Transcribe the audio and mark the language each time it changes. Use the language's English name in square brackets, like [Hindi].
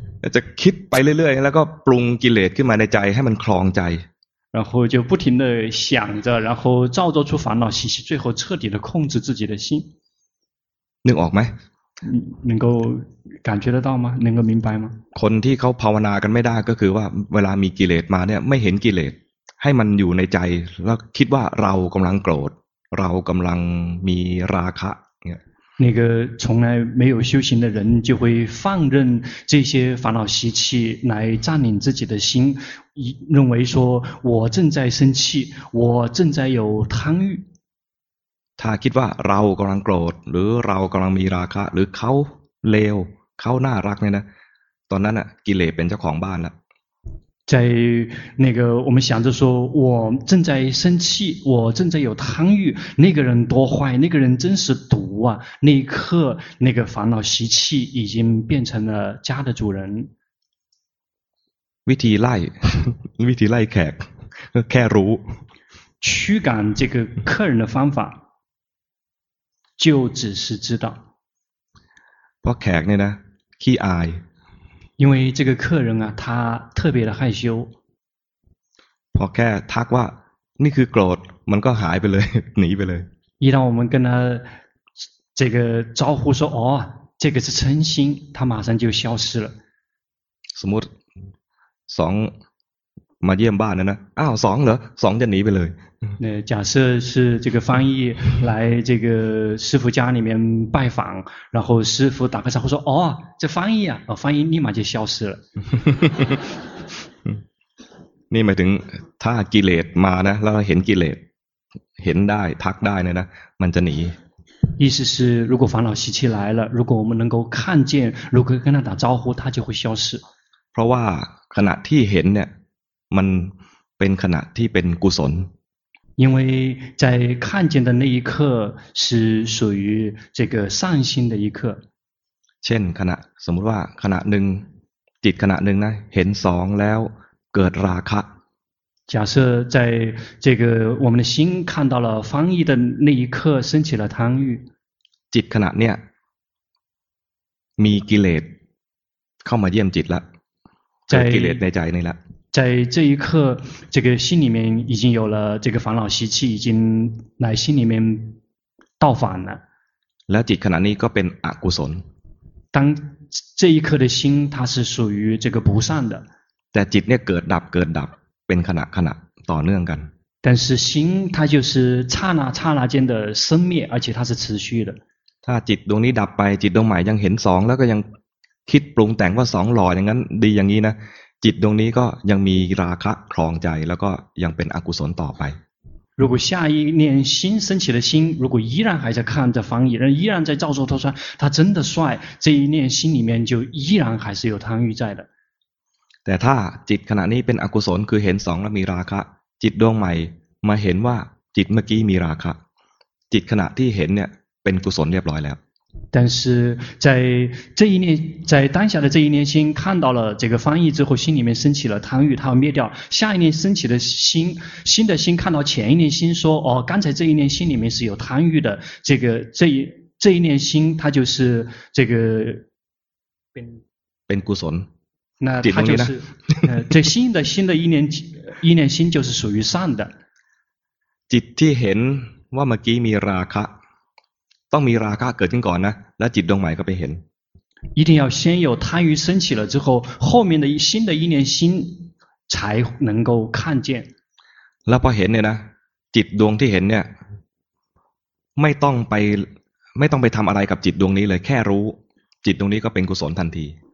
[Thai] จะคิดไปเรื่อยๆแล้วก็ปรุงกิเลสขึ้นมาในใจให้มันคลองใจ [Chinese] 然后就不停的想着然后造作出烦恼习气最后彻底的控制自己的心 [Thai] นึกออกไหม [Chinese] 能够感觉得到吗能够明白吗 [Thai] คนที่เขาภาวนากันไม่ได้ก็คือว่าเวลามีกิเลสมาเนี่ยไม่เห็นกิเลสให้มันอยู่ในใจแล้วคิดว่าเรากำลังโกรธเรากำลังมีราคะ [Chinese] 那个从来没有修行的人就会放任这些烦恼习气来占领自己的心认为说我正在生气我正在有贪欲 [Thai] 他คิดว่าเรากำลังโกรธหรือเรากำลังมีราคะหรือเขาเลวเขาน่ารักเนี่ยนะตอนนั้นน่ะกิเลสเป็นเจ้าของบ้านละ [Chinese] 在那个我们想着说我正在生气我正在有贪欲那个人多坏那个人真是毒啊那一刻那个烦恼习气已经变成了家的主人 [Thai] วิธีไล่วิธีไล่แขกแค่รู้ [Chinese] 驱赶这个客人的方法就只是知道 [Thai] เพราะแขกเนี่ยนะขี้อาย [Chinese] 因为这个客人啊他特别的害羞 [Thai] พอแค่ทักว่านี่คือโกรธมันก็หายไปเลยหนีไปเลย [Chinese] 一旦我们跟他这个招呼说哦这个是嗔心他马上就消失了 [Thai] สมมติสองมาเยี่ยมบ้านนะอ้าวสองเหรอสองจะหนีไปเลย [Chinese] 那假设是这个翻译来这个师父家里面拜访，然后师父打开窗户说：“哦，这翻译啊，哦，翻译立马就消失了。” 你没听，他 [Thai] กิเลส嘛呢，然后เห็นกิเลส，เห็นได้ทักได้เนี่ยนะ，มันจะหนี。 [Chinese] 意思是，如果烦恼习气来了，如果我们能够看见，如果跟他打招呼，他就会消失。 [Thai] เพราะว่าขณะที่เห็นเนี่ย，มันเป็นขณะที่เป็นกุศล。 [Chinese] 因为在看见的那一刻是属于这个善心的一刻。 [Thai] เช่นขณะสมมติว่าขณะหนึ่งจิตขณะหนึ่งนะเห็นสองแล้วเกิดราคะ。 [Chinese] 假设在这个我们的心看到了翻译的那一刻升起了贪欲。 [Thai] จิตขณะเนี้ยมีกิเลสเข้ามาเยี่ยมจิตละเจอกิเลสในใจนี่ละ。 [Chinese] 在这一刻这个心里面已经有了这个烦恼习气已经来心里面到访了 [Thai] แล้วจิตขณะนี้ก็เป็นอกุศล [Chinese] 当这一刻的心它是属于这个不善的 [Thai] แต่จิตเนี่ยเกิดดับเกิดดับเป็นขณะขณะต่อเนื่องกัน [Chinese] 但是心它就是刹那刹那间的生灭而且它是持续的 [Thai] ถ้าจิตดวงนี้ดับไปจิตดวงใหม่ยังเห็นสองแล้วก็ยังคิดปรุงแต่งว่าสองหล่ออย่างนั้นดีอย่างนี้นะจิตตรงนี้ก็ยังมีราคะครองใจแล้วก็ยังเป็นอกุศลต่อไป [Chinese] 如果下一念心升起的心如果依然还在看着方言依然在照做他说他真的帅这一念心里面就依然还是有贪欲在的 [Thai] แต่ถ้าจิตขณะนี้เป็นอกุศลคือเห็นสองแล้วมีราคะจิตดวงใหม่มาเห็นว่าจิตเมื่อกี้มีราคะจิตขณะที่เห็นเนี่ยเป็นกุศลเรียบร้อยแล้ว [Chinese] 但是在这一念，在当下的这一念心看到了这个翻译之后，心里面升起了贪欲，它要灭掉。下一念升起的心，新的心看到前一念心说，哦，刚才这一念心里面是有贪欲的，这个这一念心它就是这个变故损，那它就是这新的一念心就是属于善的。 [Thai] จิตที่เห็นว่าเมื่อกี้มีราคะต้องมีราคะเกิดขึ้นก่อนนะแล้วจิตดวงใหม่ก็ไปเห็น [Chinese] 一定要先有贪欲升起了之后后面的新的一念心才能够看见 [Thai] แล้วพอเห็นเนี่ยนะจิตดวงที่เห็นเนี่ยไม่ต้องไปทำอะไรกับจิตดวงนี้เลยแค่รู้จิตดวงนี้ก็เป็นกุศลทันที